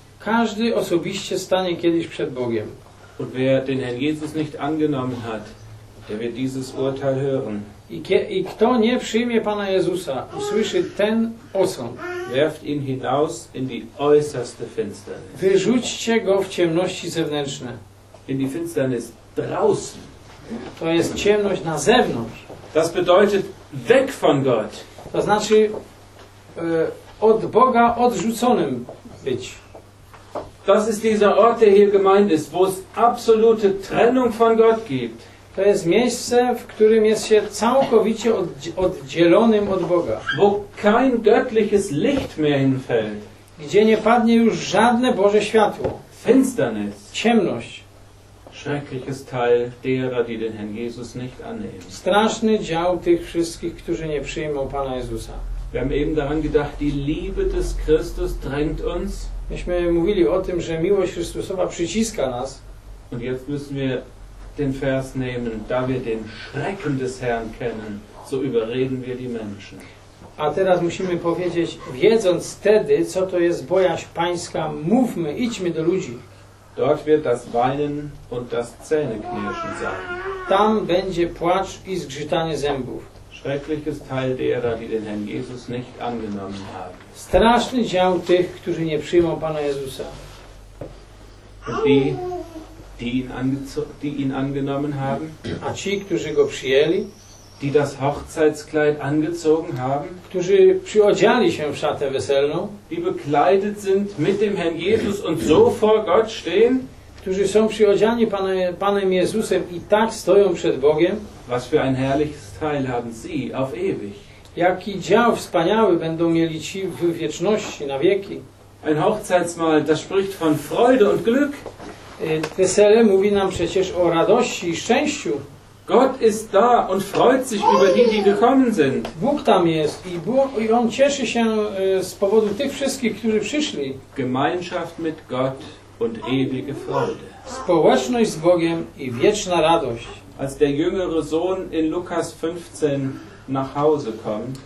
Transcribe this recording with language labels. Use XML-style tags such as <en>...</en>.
<pl>Każdy osobiście stanie kiedyś przed Bogiem.</pl> <de>Und wer den Herrn Jesus nicht angenommen hat, der wird dieses Urteil hören.</de> <pl>I kto nie przyjmie Pana Jezusa, usłyszy ten osąd.</pl> <de>Werft ihn hinaus in die äußerste Finsternis.</de> <pl>Wyrzućcie go w ciemności zewnętrzne.</pl> <de>In die Finsternis draußen.</de> <pl>To jest ciemność na zewnątrz.</pl> <de>Das bedeutet weg von Gott.</de> <pl>To znaczy od Boga odrzuconym być.</pl> <de>Das ist dieser Ort, der hier gemeint ist, wo es absolute Trennung von Gott gibt.</de> <pl>To jest miejsce, w którym jest się całkowicie oddzielonym od Boga.</pl> <de>Wo kein göttliches Licht mehr hinfällt.</de> <pl>Gdzie nie padnie już żadne Boże światło.</pl> <de>Finsternis.</de> <pl>Ciemność.</pl> <de>Schreckliches Teil derer, die den Herrn Jesus nicht annehmen.</de> <pl>Straszny dział tych wszystkich, którzy nie przyjmą Pana Jezusa.</pl> <de>Wir haben eben daran gedacht, die Liebe des Christus drängt uns.</de> <pl>Myśmy mówili o tym, że miłość Chrystusowa przyciska nas.</pl> <de>Und jetzt müssen wir den Vers nehmen, da wir den Schrecken des Herrn kennen, so überreden wir die Menschen.</de> <pl>A teraz musimy powiedzieć, wiedząc wtedy, co to jest bojaźń pańska, mówmy, idźmy do ludzi.</pl> <de>Dort wird das Weinen und das Zähneknirschen sein.</de> <pl>Tam będzie płacz i zgrzytanie zębów.</pl> <de>Schreckliches Teil derer, die den Herrn Jesus nicht angenommen haben.</de> <pl>Straszny dział tych, którzy nie przyjmą Pana Jezusa.</pl> <de>Die ihn angenommen haben,</de> <pl>a ci, którzy go przyjęli,</pl> <de>die das Hochzeitskleid angezogen haben,</de> <pl>którzy przyodziali się w szatę weselną,</pl> <de>die bekleidet sind mit dem Herrn Jesus und so vor Gott stehen,</de> <pl>którzy są przyodziani Panem Jezusem i tak stoją przed Bogiem,</pl> <de>was für ein herrliches Teil haben sie auf ewig.</de> <pl>Jaki dział wspaniały będą mieli ci w wieczności, na wieki.</pl> <de>Ein Hochzeitsmahl, das spricht von Freude und Glück.</de> <pl>Wesele mówi nam przecież o radości i szczęściu.</pl> <de>Gott ist da und freut sich über die, die gekommen sind.</de> <pl>Bóg tam jest i on cieszy się z powodu tych wszystkich, którzy przyszli.</pl> <de>Gemeinschaft mit Gott und ewige Freude.</de> <pl>Społeczność z Bogiem i wieczna radość.</pl> <de>Als der jüngere Sohn in Lukas 15 nach Hause kommt.</de>